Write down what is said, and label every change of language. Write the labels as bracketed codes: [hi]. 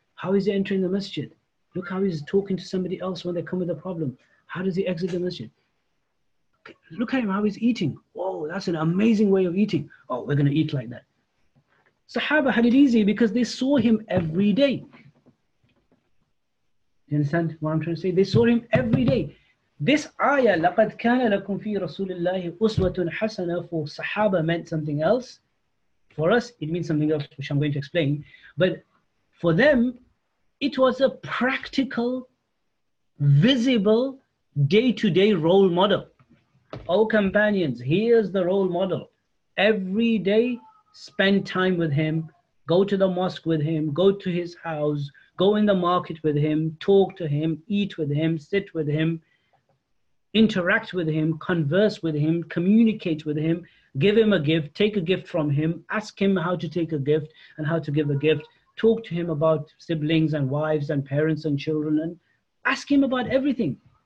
[en] How is he entering the masjid? Look how he's talking to somebody else when they come with a problem. How does he exit the masjid? Look at him, how he's eating. Whoa, that's an amazing way of eating. Oh, we're going to eat like that. Sahaba had it easy because they saw him every day. You understand what I'm trying to say? They saw him every day. This ayah, [ar] لَقَدْ كَانَ لَكُمْ فِي رَسُولِ اللَّهِ أُسْوَةٌ حَسَنَةٌ, [en] for Sahaba meant something else. For us, it means something else, which I'm going to explain. But for them, it was a practical, visible, day-to-day role model. Oh, companions, here's the role model. Every day, spend time with him, go to the mosque with him, go to his house, go in the market with him, talk to him, eat with him, sit with him, interact with him, converse with him, communicate with him, give him a gift, take a gift from him, ask him how to take a gift and how to give a gift, talk to him about siblings and wives and parents and children, and ask him about everything.